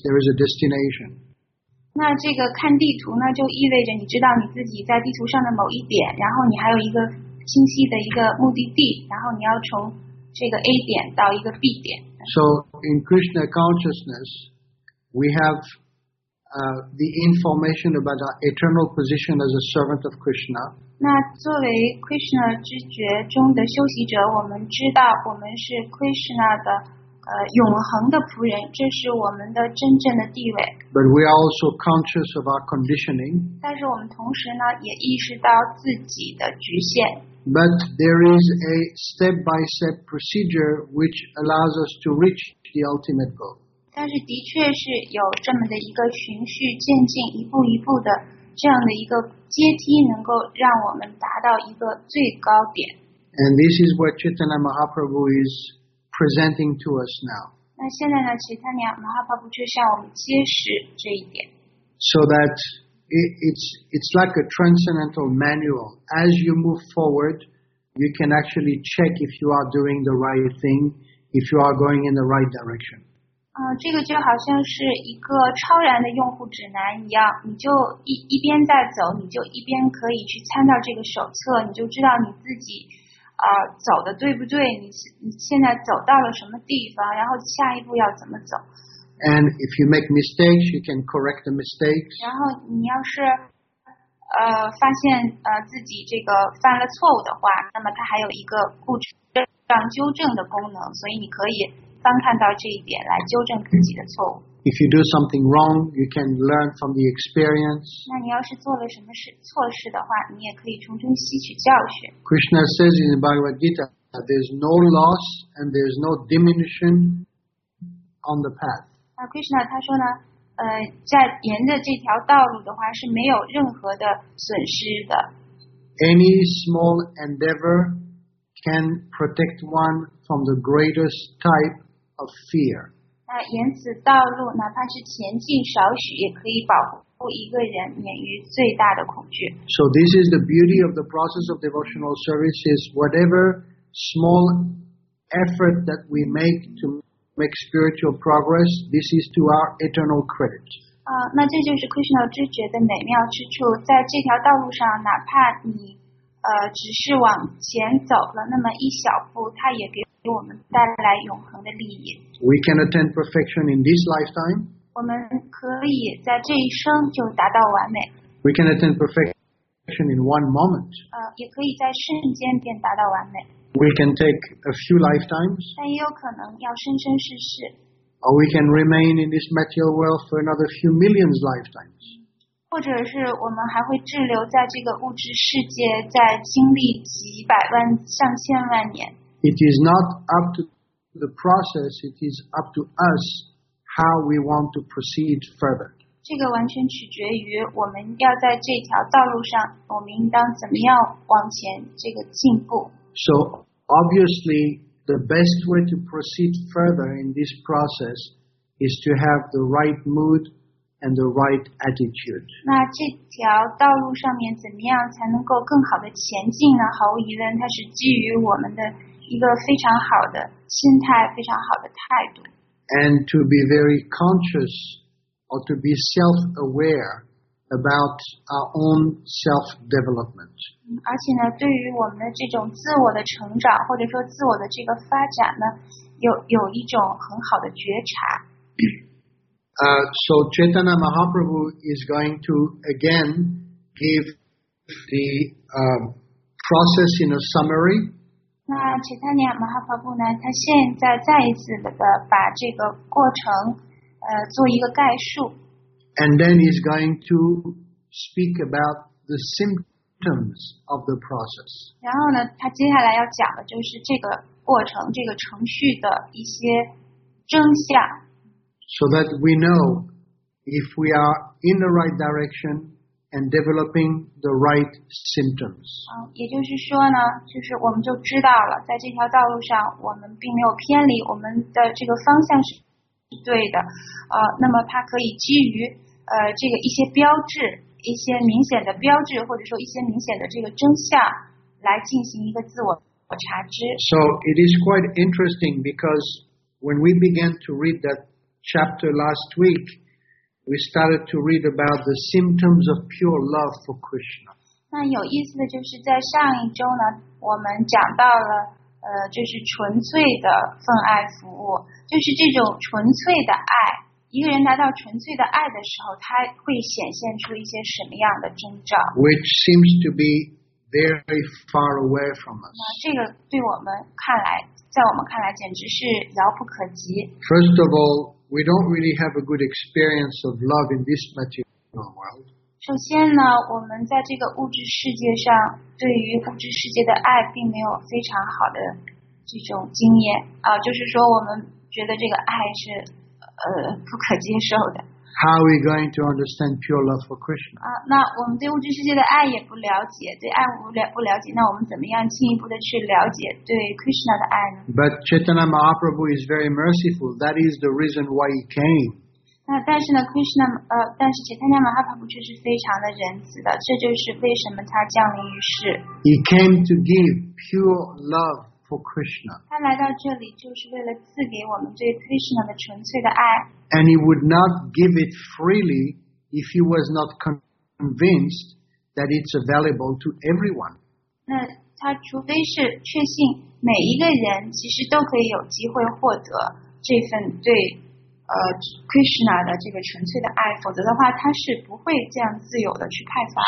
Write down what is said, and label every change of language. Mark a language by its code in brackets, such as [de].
[en] There is a destination. [zh] 那这个看地图呢，就意味着你知道你自己在地图上的某一点，然后你还有一个清晰的一个目的地，然后你要从这个 A 点到一个 B 点。 [en] So in Krishna consciousness, we have the information about our eternal position as a servant of Krishna. [zh] 那作为 Krishna 知觉中的修习者，我们知道我们是 Krishna 的永恒的仆人，这是我们的真正的地位。 [en] But we are also conscious of our conditioning. [zh] 但是我们同时呢，也意识到自己的局限。 [en] But there is a step-by-step procedure which allows us to reach the ultimate goal. [zh] 但是的确是有这么的一个循序渐进一步一步的这样的一个阶梯能够让我们达到一个最高点。 [en] And this is what Chaitanya Mahaprabhu is presenting to us now. [zh] 那现在呢 Chaitanya Mahaprabhu 就向我们揭示这一点。 [en] So that it's like a transcendental manual. As you move forward, you can actually check if you are doing the right thing, if you are going in the right direction. [zh] 这个就好像是一个超然的用户指南一样，你就一边在走，你就一边可以去参照这个手册，你就知道你自己走的对不对，你现在走到了什么地方，然后下一步要怎么走。 [en] And if you make mistakes, you can correct the mistakes. [zh] 然后你要是发现自己这个犯了错误的话，那么它还有一个故障纠正的功能，所以你可以翻看到这一点来纠正自己的错误。 [en] If you do something wrong, you can learn from the experience. [zh] 那你要是做了什么错事的话，你也可以从中吸取教训。 [en] Krishna says in the Bhagavad Gita, there's no loss and there's no diminution on the path. [zh] Krishna 他说呢，在沿着这条道路的话是没有任何的损失的。 [en] Any small endeavor can protect one from the greatest type of fear. [zh] 那沿此道路，哪怕是前进少许，也可以保护一个人免于最大的恐惧。 [en] So this is the beauty of the process of devotional service: is whatever small effort that we make to make spiritual progress, this is to our eternal credit. [zh] 那这就是 Krishna 知觉的美妙之处，在这条道路上，哪怕你只是往前走了那么一小步，它也给我们带来永恒的利益。 [en] We can attain perfection in this lifetime. [zh] 我们可以在这一生就达到完美。 [en] We can attain perfection in one moment. [zh] 也可以在瞬间便达到完美。 [en] We can take a few lifetimes. [zh] 但也有可能要生生世世。 [en] Or we can remain in this material world for another few millions lifetimes. [zh] 或者是我们还会滞留在这个物质世界，在经历几百万、上千万年。 [en] It is not up to the process. It is up to us how we want to proceed further. [zh] 这个完全取决于我们要在这条道路上，我们应当怎么样往前这个进步。 [en] So obviously, the best way to proceed further in this process is to have the right mood and the right attitude. [zh] 那这条道路上面怎么样才能够更好的前进呢？毫无疑问，它是基于我们的一个非常好的心态，非常好的态度。 [en] And to be very conscious or to be self-aware. About our own self-development. [zh] 而且呢，对于我们的这种自我的成长，或者说自我的这个发展呢，有一种很好的觉察。 [en] So Chaitanya Mahaprabhu is going to again give the process in a summary. [zh] 那 Chaitanya Mahaprabhu 呢，他现在再一次的把这个过程做一个概述。 [en] And then he's going to speak about the symptoms of the process. [zh] 然后呢，他接下来要讲的就是这个过程，这个程序的一些征象。 [en] So that we know if we are in the right direction and developing the right symptoms. [zh] 也就是说呢，就是我们就知道了，在这条道路上，我们并没有偏离，我们的这个方向是对的。那么他可以基于这个一些标志，一些明显的标志，或者说一些明显的这个征象，来进行一个自我察知。 [en] So it is quite interesting because when we began to read that chapter last week, we started to read about the symptoms of pure love for Krishna. [zh] 那有意思的就是在上一周呢，我们讲到了就是纯粹的奉爱服务，就是这种纯粹的爱。一个人达到纯粹的爱的时候，他会显现出一些什么样的征兆 [en] ？Which seems to be very far away from us. [zh] 这个对我们看来，在我们看来简直是遥不可及。 [en] First of all, we don't really have a good experience of love in this material world. [zh] 首先呢，我们在这个物质世界上，对于物质世界的爱并没有非常好的这种经验。就是说我们觉得这个爱是。不可接受的。 [en] How are we going to understand pure love for Krishna? [zh] 那我们对物质世界的爱也不了解，对爱不了解，那我们怎么样进一步的去了解对 Krishna 的爱呢？ [en] But Chaitanya Mahaprabhu is very merciful. That is the reason why he came. [zh] 那但是呢 ，Krishna 但是 Chaitanya Mahaprabhu 却是非常的仁慈的，这就是为什么他降临于世。 [en] He came to give pure love for Krishna. [zh] 他来到这里就是为了赐给我们对 Krishna 的纯粹的爱。 [en] And he would not give it freely if he was not convinced that it's available to everyone. [zh] 那他除非是确信每一个人其实都可以有机会获得这份对Krishna 的这个纯粹的爱，否则的话他是不会这样自由的去派发。